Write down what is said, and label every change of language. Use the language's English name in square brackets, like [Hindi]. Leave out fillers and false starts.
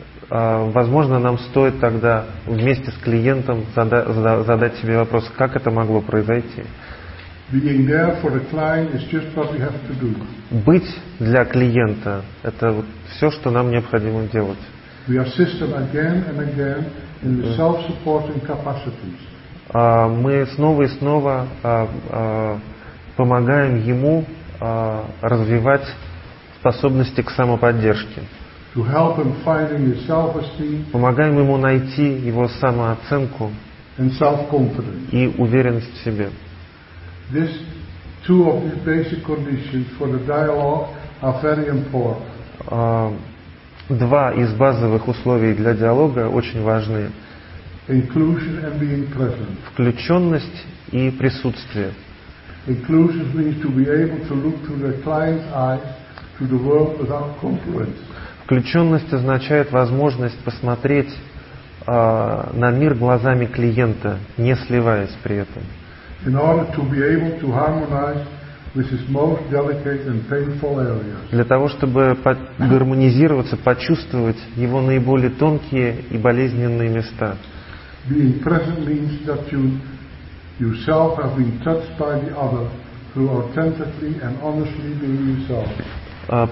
[Russian] Возможно, нам стоит тогда вместе с клиентом задать себе вопрос, как это могло произойти. [English] Being there for the client is just what we have to do. [Russian] Быть для клиента – это все, что нам необходимо делать. [English] We assist them again and again in the self-supporting capacities. [Russian] Мы снова и снова помогаем ему развивать способности к самоподдержке. [English] To help him finding his self-esteem, [Russian] помогаем ему найти его самооценку [English] and self-confidence. [Russian] И уверенность в себе. [English] This, two of these basic conditions for the dialogue are very important. [Russian] Два из базовых условий для диалога очень важны. [English] Inclusion and being present. [Russian] Включенность и присутствие. [English] Inclusion means to be able to look through the client's eyes to the world without compromise. [Russian] Включенность означает возможность посмотреть на мир глазами клиента, не сливаясь при этом. [English] In order to be able to harmonize with his most delicate and painful areas. [Russian] Для того, чтобы гармонизироваться, почувствовать его наиболее тонкие и болезненные места. [English] Being present means that you yourself have been touched by the other through authentically and honestly being yourself.